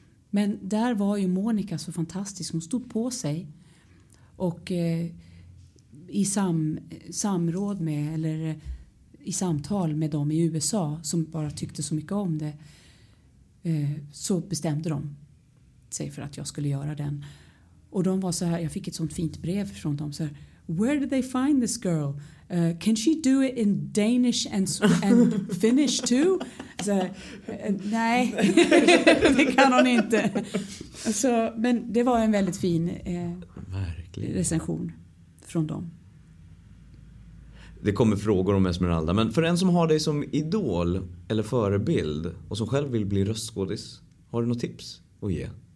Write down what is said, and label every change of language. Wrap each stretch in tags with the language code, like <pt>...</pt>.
<sv>Men där var ju Monica så fantastisk, hon stod på sig och i samråd med, eller i samtal med dem i USA som bara tyckte så mycket om det, så bestämde de sig för att jag skulle göra den. Och de var så här, jag fick ett sånt fint brev från dem, så här,</sv> <en>where did they find this girl? Can she do it in Danish and Finnish too?</en> <sv>Så, nej, det kan hon inte. Så, men det var en väldigt fin recension från dem. Det kommer frågor om Esmeralda, men för en som har dig som idol eller förebild och som själv vill bli röstskådis, har du något tips att ge?</sv>